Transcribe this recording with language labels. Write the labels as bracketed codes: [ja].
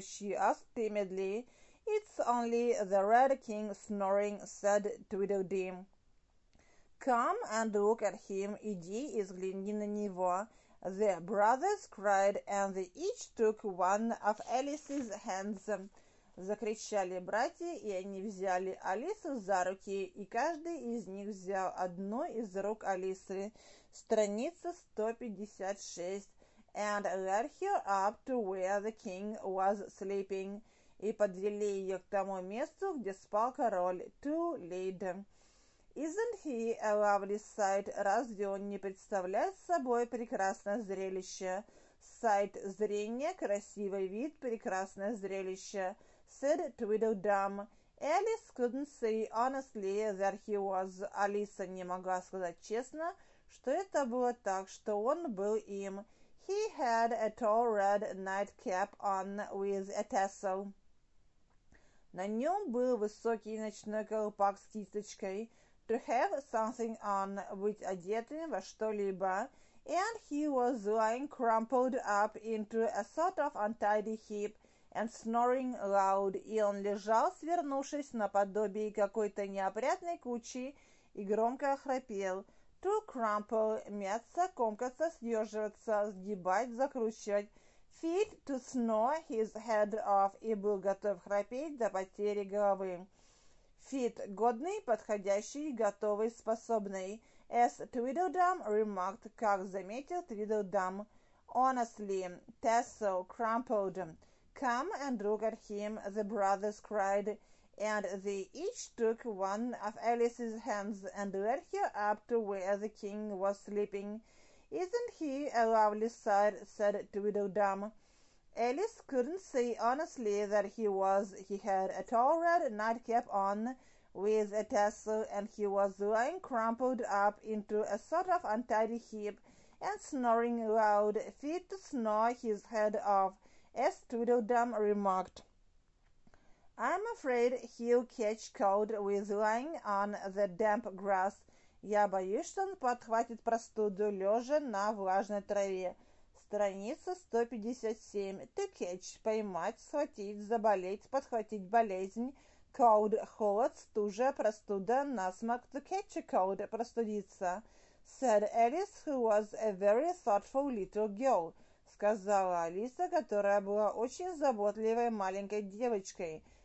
[en] She asked timidly. It's only the Red King snoring, said Tweedledee. Come and look at him, [ru] иди и взгляни на него. [en] The brothers cried, and they each took one of Alice's hands. [ru] Закричали братья, и они взяли Алису за руки, и каждый из них взял одну из рук Алисы. Страница 156. [en] And led her up to where the king was sleeping. [ru] И подвели ее к тому месту, где спал король. [en] To lead. Isn't he a lovely sight? [ru] Разве он не представляет собой прекрасное зрелище? Sight – зрение, красивый вид, прекрасное зрелище. [en] Said Tweedledum. Alice couldn't say honestly that he was. [ru] Алиса не могла сказать честно, что это было так, что он был им. [en] He had a tall red nightcap on with a tassel. [ru] На нем был высокий ночной колпак с кисточкой. [en] To have something on, [ru] быть одетым во что-либо. [en] And he was lying crumpled up into a sort of untidy heap and snoring loud. [ru] И он лежал, свернувшись наподобие какой-то неопрятной кучи и громко храпел. [en] To crumple, [ru] мяться, комкаться, съеживаться, сгибать, закручивать. [en] Fit to snore his head off, [ru] и был готов храпеть до потери головы. Fit – годный, подходящий, готовый, способный. [en] As Tweedledum remarked, [ru] как заметил [en] Tweedledum. Honestly, tassel – crumpled. Come and look at him, the brothers cried. And they each took one of Alice's hands and led her up to where the king was sleeping. "Isn't he a lovely sight?" said Tweedledum. Alice couldn't say honestly that he was. He had a tall red nightcap on with a tassel, and he was lying crumpled up into a sort of untidy heap and snoring loud, fit to snore his head off, as Tweedledum remarked. "I'm afraid he'll catch cold with lying on the damp grass." [ru] «Я боюсь, что он подхватит простуду, лежа на влажной траве». Страница 157. [en] «To catch» [ru] — поймать, схватить, заболеть, подхватить болезнь. «Cold» — холод, стужа, простуда, насморк. [en] «To catch a cold» [ru] — простудиться. [en] «Said Alice, who was a very thoughtful little girl», [ru] — сказала Алиса, которая была очень заботливой маленькой девочкой.